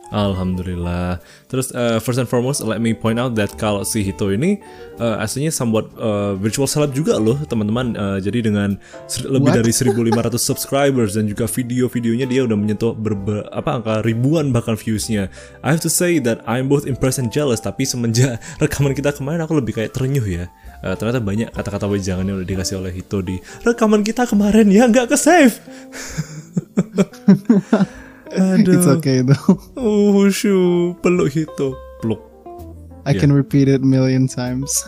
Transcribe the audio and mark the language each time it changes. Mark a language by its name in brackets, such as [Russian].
[English] Alhamdulillah. [Indonesian] Terus [English] first and foremost, let me point out that [Indonesian] kalau si Hito ini aslinya [English] somewhat virtual celeb [Indonesian] juga loh teman-teman. Jadi dengan lebih dari 1500 subscribers dan juga video-videonya dia udah menyentuh angka ribuan bahkan views-nya. [English] I have to say that I'm both impressed and jealous. [Indonesian] Tapi semenjak rekaman kita kemarin aku lebih kayak ternyuh ya. Ternyata banyak kata-kata wejangan yang udah dikasih oleh Hito di rekaman kita kemarin ya, gak ke-save. [English] It's okay though. [Indonesian] Oh shoo, peluk Hito, peluk. [English] I can repeat it million times.